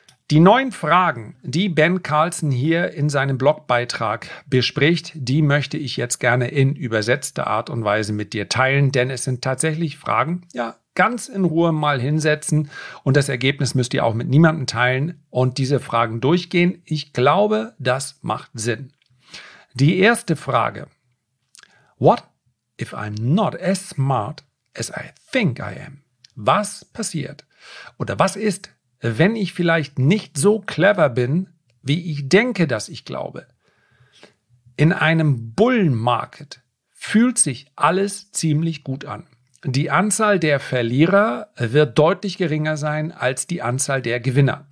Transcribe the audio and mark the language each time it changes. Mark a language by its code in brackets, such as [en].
[de] Die 9 Fragen, die Ben Carlson hier in seinem Blogbeitrag bespricht, die möchte ich jetzt gerne in übersetzter Art und Weise mit dir teilen, denn es sind tatsächlich Fragen, ja, ganz in Ruhe mal hinsetzen und das Ergebnis müsst ihr auch mit niemandem teilen und diese Fragen durchgehen. Ich glaube, das macht Sinn. Die 1. Frage, [en] what if I'm not as smart as I think I am? [de] Was passiert oder was ist, wenn ich vielleicht nicht so clever bin, wie ich denke, dass ich glaube? In einem Bullenmarkt fühlt sich alles ziemlich gut an. Die Anzahl der Verlierer wird deutlich geringer sein als die Anzahl der Gewinner.